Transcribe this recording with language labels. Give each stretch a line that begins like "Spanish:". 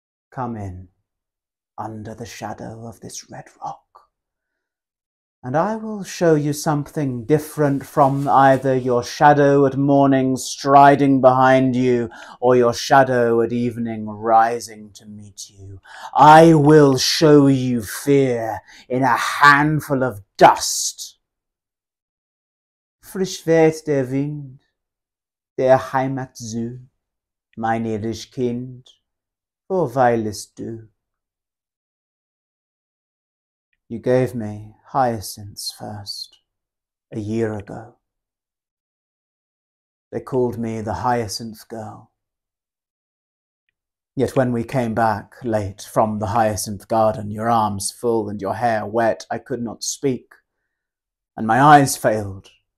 English: Come in under the shadow of this red rock, and I will show you something different from either your shadow at morning striding behind you or your shadow at evening rising to meet you. I will show you fear in a handful of dust.
German: Frisch weht der Wind, der Heimat zu, mein irdisch Kind, wo weilest du?
English: You gave me hyacinths first, a year ago. They called me the hyacinth girl. Yet when we came back late from the hyacinth garden, your arms full and your hair wet, I could not speak, and my eyes failed.